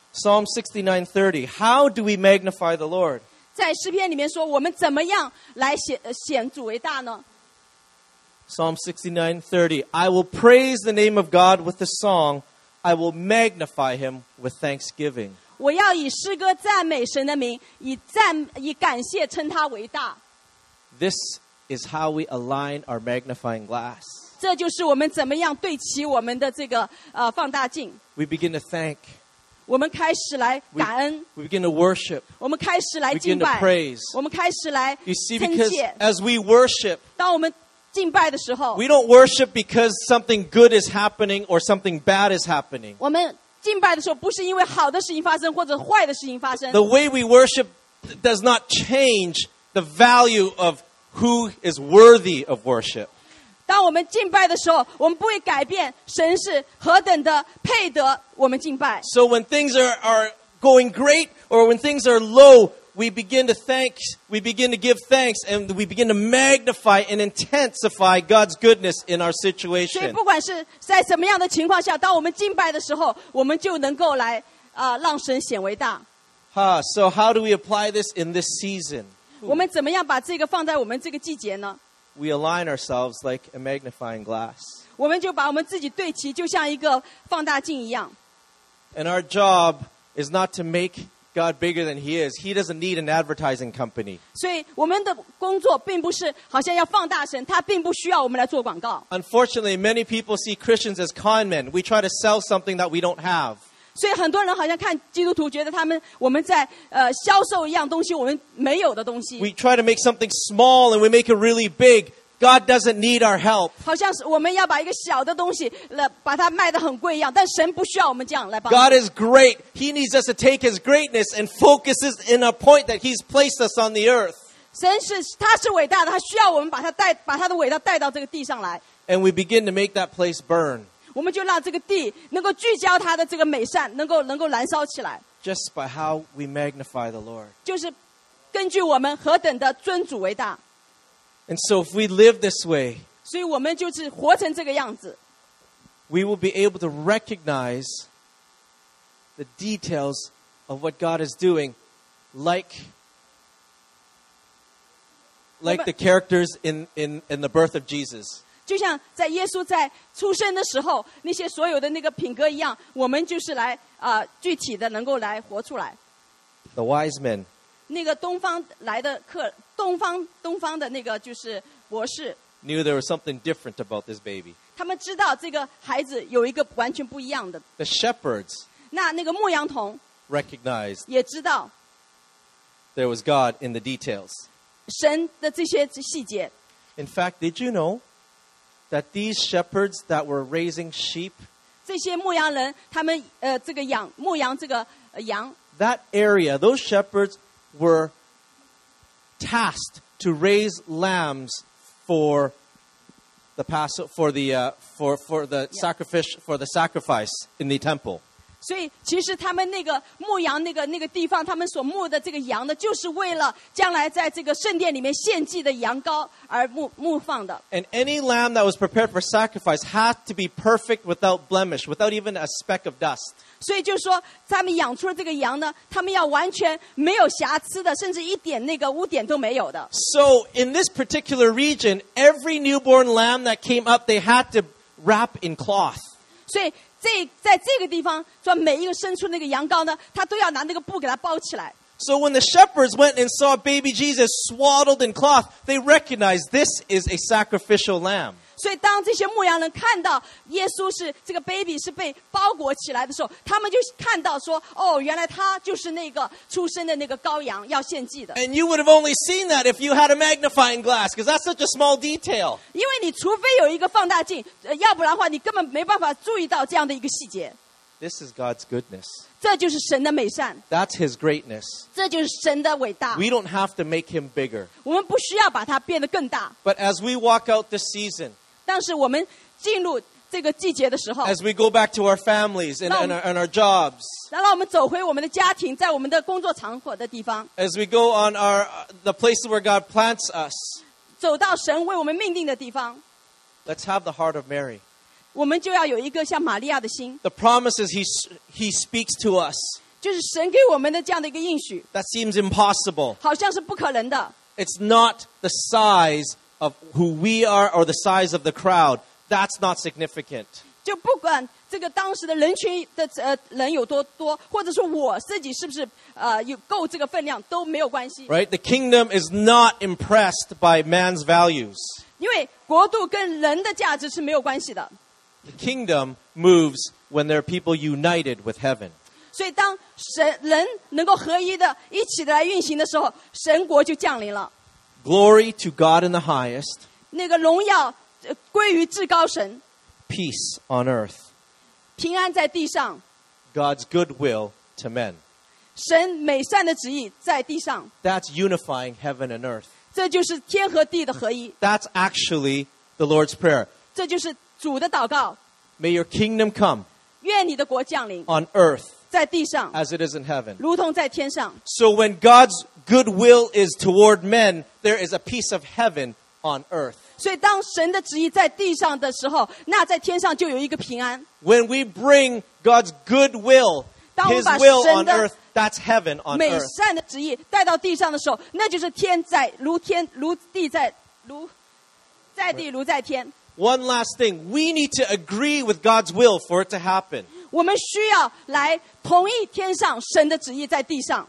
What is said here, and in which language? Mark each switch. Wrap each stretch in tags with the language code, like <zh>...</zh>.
<en>Psalm 69:30. How do we magnify the Lord?</en> <zh>在诗篇里面说，我们怎么样来显主为大呢？</zh> <en>Psalm 69:30. I will praise the name of God with a song. I will magnify him with thanksgiving.</en> <zh>我要以诗歌赞美神的名，以感谢称他为大。</zh> <en>This is how we align our magnifying glass.</en> <zh>这就是我们怎么样对齐我们的这个放大镜。</zh> <en>We begin to thank.</en> <zh>我们开始来感恩。</zh> <en>We begin to worship.</en> <zh>我们开始来敬拜。</zh> <en>We begin to praise.</en> <zh>我们开始来称谢。</zh> <en>You see, because as we worship,</en> <zh>当我们敬拜的时候</zh> <en>we don't worship because something good is happening or something bad is happening.</en> <zh>我们敬拜的时候不是因为好的事情发生或者坏的事情发生</zh> <en>The way we worship does not change the value of who is worthy of worship.</en> <zh>当我们敬拜的时候我们不会改变神是何等的配得我们敬拜</zh> <en>So when things are going great or when things are low,We begin to thank, we begin to give thanks, and we begin to magnify and intensify God's goodness in our situation.</en> <zh>所以不管是在什么样的情况下，当我们敬拜的时候，我们就能够来让神显为大。</zh> <en>So how do we apply this in this season?</en> <zh>我们怎么样把这个放在我们这个季节呢？</zh> <en>We align ourselves like a magnifying glass.</en> <zh>我们就把我们自己对齐，就像一个放大镜一样。</zh> <en>And our job is not to make. God bigger than He is. He doesn't need an advertising company.</en> <zh>所以我们的工作并不是好像要放大神，他并不需要我们来做广告。</zh> <en>Unfortunately, many people see Christians as con men. We try to sell something that we don't have.</en> <zh>所以很多人好像看基督徒，觉得我们在销售一样东西，我们没有的东西。</zh> <en>We try to make something small and we make it really big. God doesn't need our help.</en> <zh>好像是我们要把一个小的东西把它卖得很贵一样，但神不需要我们这样来帮。</zh> <en>God is great. He needs us to take His greatness and focus us in a point that He's placed us on the earth.</en> <zh>神是他是伟大的，他需要我们把他的伟大带到这个地上来。</zh> <en>And we begin to make that place burn.</en> <zh>我们就让这个地能够聚焦他的这个美善，能够燃烧起来。</zh> <en>Just by how we magnify the Lord.</en> <zh>就是根据我们何等的尊主为大。</zh> <en>And so if we live this way,</en> <zh>所以我们就是活成这个样子。</zh> <en>We will be able to recognize the details of what God is doing, like the characters in the birth of Jesus.</en> <zh>就像在耶稣在出生的时候，那些所有的那个品格一样，我们就是来具体的能够来活出来。</zh> <en>The wise men.</en> <zh>那个东方来的客，东方的那个就是博士。</zh> <en>Knew there was something different about this baby.</en> <zh>他们知道这个孩子有一个完全不一样的。</zh> <en>The shepherds.</en> <zh>那个牧羊童。</zh> <en>Recognized.</en> <zh>也知道。</zh> <en>There was God in the details.</en> <zh>神的这些细节。</zh> <en>In fact, did you know that these shepherds that were raising sheep?</en> <zh>这些牧羊人，他们这个养牧羊这个羊。</zh> <en>That area, those shepherds were tasked to raise lambs for the Passover, for the sacrifice in the temple.</en> <zh>所以其实他们那个牧羊那个地方，他们所牧的这个羊呢，就是为了将来在这个圣殿里面献祭的羊羔而牧放的。</zh> <en>And any lamb that was prepared for sacrifice had to be perfect without blemish, without even a speck of dust.</en> <zh>所以就是说他们养出了这个羊呢，他们要完全没有瑕疵的，甚至一点那个污点都没有的。</zh> <en>So in this particular region, every newborn lamb that came up, they had to wrap in cloth.</en> <zh>所以在这个地方，说每一个生出那个羊羔呢，他都要拿那个布给它包起来。</zh> <en>So when the shepherds went and saw baby Jesus swaddled in cloth, they recognized this is a sacrificial lamb.</en> <zh>所以当这些牧羊人看到耶稣是这个 baby 是被包裹起来的时候，他们就看到说，哦，原来他就是那个出生的那个羔羊要献祭的。</zh> <en>And you would have only seen that if you had a magnifying glass, because that's such a small detail.</en> <zh>因为你除非有一个放大镜，要不然的话你根本没办法注意到这样的一个细节。</zh> <en>This is God's goodness.</en> <zh>这就是神的美善。</zh> <en>That's His greatness.</en> <zh>这就是神的伟大。</zh> <en>We don't have to make Him bigger.</en> <zh>我们不需要把它变得更大。</zh> <en>But as we walk out this season,</en> <zh>但是我们进入这个季节的时候</zh> <en>as we go back to our families and our jobs,</en> <zh>让我们走回我们的家庭，在我们的工作场所的地方</zh> <en>as we go on the places where God plants us,</en> <zh>走到神为我们命定的地方</zh> <en>let's have the heart of Mary,</en> <zh>我们就要有一个像玛利亚的心</zh> <en>the promises he speaks to us,</en> <zh>就是神给我们的这样的一个应许</zh> <en>that seems impossible,</en> <zh>好像是不可能的</zh> <en>it's not the sizeof who we are or the size of the crowd, that's not significant.</en> <zh>就不管这个当时的人群的人有多多，或者说我自己是不是有够这个分量都没有关系。</zh> <en>Right, the kingdom is not impressed by man's values.</en> <zh>因为国度跟人的价值是没有关系的。</zh> <en>The kingdom moves when there are people united with heaven.</en> <zh>所以当神人能够合一的一起的来运行的时候，神国就降临了。</zh> <en>Glory to God in the highest.</en> <zh>那个荣耀归于至高神。</zh> <en>Peace on earth.</en> <zh>平安在地上。</zh> <en>God's good will to men.</en> <zh>神美善的旨意在地上。</zh> <en>That's unifying heaven and earth.</en> <zh>这就是天和地的合一。</zh> <en>That's actually the Lord's prayer.</en> <zh>这就是主的祷告。</zh> <en>May your kingdom come.</en> <zh>愿你的国降临。</zh> <en>On earth.</en> <zh>在地上。</zh> <en>As it is in heaven.</en> <zh>如同在天上。</zh> <en>So when God'sGoodwill is toward men, there is a piece of heaven on earth.</en> <zh>所以当神的旨意在地上的时候，那在天上就有一个平安。</zh> <en>When we bring God's goodwill, His will on earth, that's heaven on earth.</en> <zh>美善的旨意带到地上的时候，那就是天在如天如地在如在地如在天。</zh> <en>One last thing, we need to agree with God's will for it to happen.</en> <zh>我们需要来同意天上神的旨意在地上。</zh>